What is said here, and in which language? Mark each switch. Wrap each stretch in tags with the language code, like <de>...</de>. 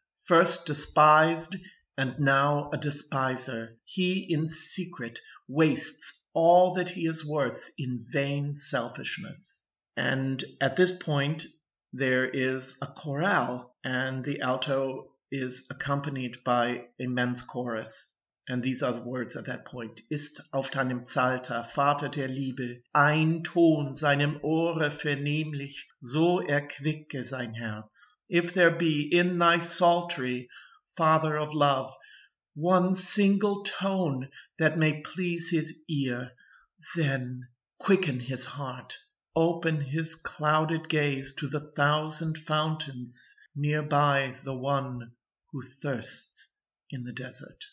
<en>First despised, and now a despiser, he in secret wastes all that he is worth in vain selfishness." And at this point, there is a chorale, and the alto is accompanied by a men's chorus. And these are the words at that point.</en> <de>"Ist auf deinem Psalter, Vater der Liebe, ein Ton seinem Ohre vernehmlich, so erquicke sein Herz.</de> <en>If there be in thy psaltery, Father of Love, one single tone that may please his ear, then quicken his heart. Open his clouded gaze to the thousand fountains nearby the one who thirsts in the desert."</en>